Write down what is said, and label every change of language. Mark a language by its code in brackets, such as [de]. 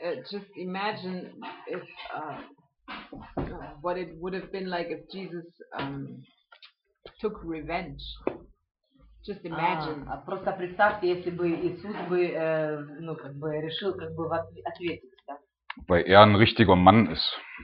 [en] Just imagine if what it would have been like if Jesus took revenge. Just imagine. [ru] Просто представьте, если бы Иисус бы, ну как бы решил как бы ответить. [de] Weil er ein richtiger Mann ist.